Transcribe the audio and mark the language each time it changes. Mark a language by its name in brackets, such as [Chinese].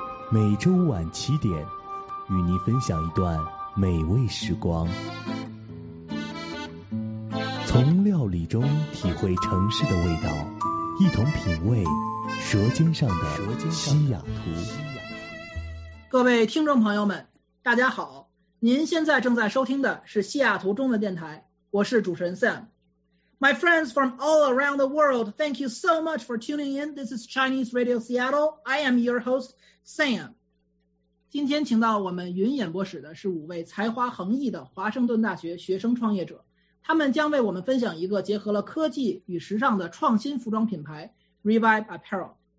[Chinese] 每周五晚七点，与您分享一段美味时光，从料理中体会城市的味道，一同品味舌尖上的西雅图。各位听众朋友们，大家好，您现在正在收听的是西雅图中文电台，我是主持人 Sam。 [English] My friends from all around the world, thank you so much for tuning in. This is Chinese Radio Seattle. I am your host, Sam. [Chinese] 今天请到我们云演播室的是五位才华横溢的华盛顿大学学生创业者，他们将为我们分享一个结合了科技与时尚的创新服装品牌 Revive Apparel.